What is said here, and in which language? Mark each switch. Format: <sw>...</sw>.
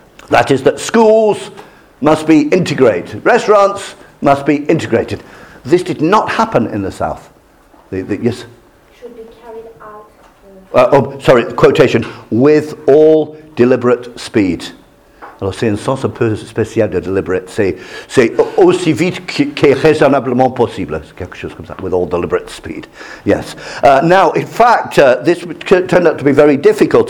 <en>That is that schools must be integrated. Restaurants must be integrated. This did not happen in the South. Yes? Should be carried out. Quotation. With all deliberate speed.</en> <fr>Alors, c'est un sens un peu spécial de deliberate. C'est aussi vite que raisonnablement possible. Quelque chose comme ça.</fr> <en>With all deliberate speed. Yes. Now, in fact, this turned out to be very difficult.</en>